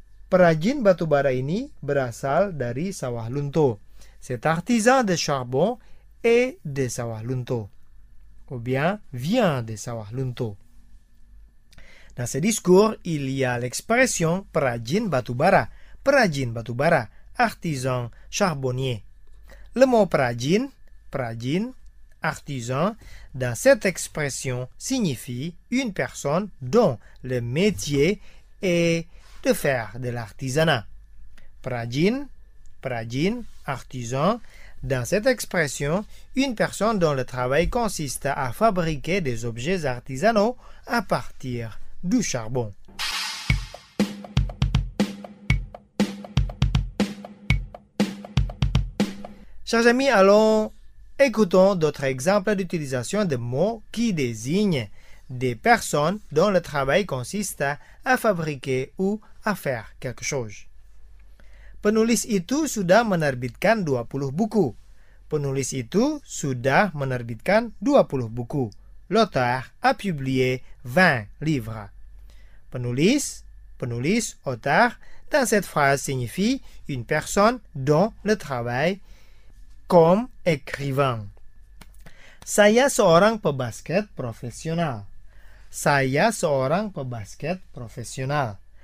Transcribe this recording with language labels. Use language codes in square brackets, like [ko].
[id] Perajin batubara ini berasal dari sawah lunto. [fr] Cet artisan de charbon est de sawah lunto. Ou bien vient de sawah lunto. Dans ce discours, il y a l'expression perajin batubara. Perajin batubara, artisan charbonnier. Le mot perajin, perajin, artisan, dans cette expression signifie une personne dont le métier est de faire de l'artisanat. Perajin, perajin, artisan, dans cette expression, une personne dont le travail consiste à fabriquer des objets artisanaux à partir du charbon. Chers amis, allons écoutons d'autres exemples d'utilisation de mots qui désignent des personnes dont le travail consiste à fabriquer ou à faire quelque chose. [id] Penulis itu sudah menerbitkan 20 buku. Penulis itu sudah menerbitkan 20 buku. [fr] L'auteur a publié 20 livres. Penulis, penulis, auteur, dans cette phrase signifie une personne dont le travail comme écrivain. [id] Saya seorang pebasket profesional. Saya seorang pebasket profesional.